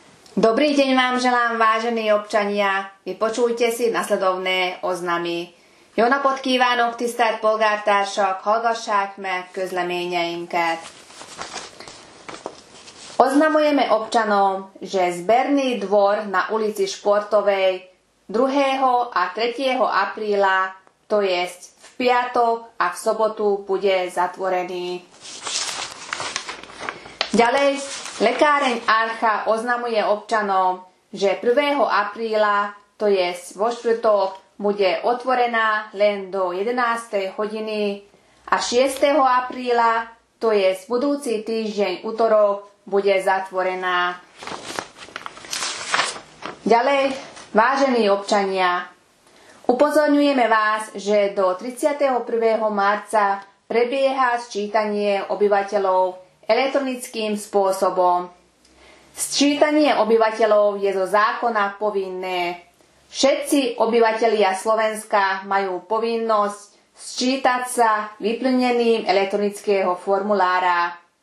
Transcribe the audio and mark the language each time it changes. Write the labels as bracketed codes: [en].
[sk] Dobrý deň vám želám, vážení občania. Vypočujte si nasledovné oznamy. [hu] Jó napot kívánok, tisztelt polgártársak, hallgassák meg közleményeinket. [sk] Oznamujeme občanom, že zberný dvor na ulici Športovej 2. a 3. apríla, to jest v piatok a v sobotu, bude zatvorený. Ďalej, lekáreň Archa oznamuje občanom, že 1. apríla, to jest vo štvrtok, bude otvorená len do 11. hodiny a 6. apríla, to jest budúci týždeň utorok, bude zatvorená. Ďalej, vážení občania, upozorňujeme vás, že do 31. marca prebieha sčítanie obyvateľov elektronickým spôsobom. Sčítanie obyvateľov je zo zákona povinné. Všetci obyvatelia Slovenska majú povinnosť sčítať sa vyplnením elektronického formulára.